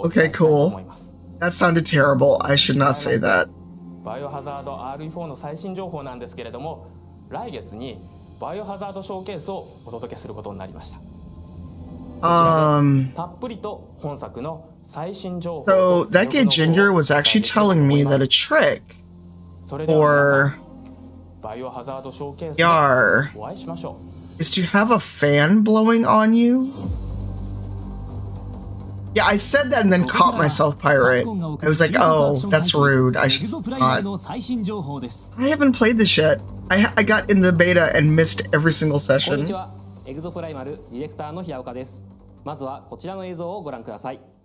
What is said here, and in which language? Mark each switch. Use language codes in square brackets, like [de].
[ja] 思います。 [en] That sounded terrible. I should not say that. [ja] バイオハザード RE4 の最新情報なんですけれども、来月にバイオハザードショーケースをお届けすることになりました。たっぷりと本作の最新情報。 [en] So that kid Ginger was actually telling me that a trick or VR is to have a fan blowing on you. Yeah, I said that and then caught myself, Pirate. I was like, oh, that's rude. I should not. I haven't played this yet. I got in the beta and missed every single session. [ja] こんにちは、エグゾプライマルディレクターの平岡です。まずはこちらの映像をご覧ください。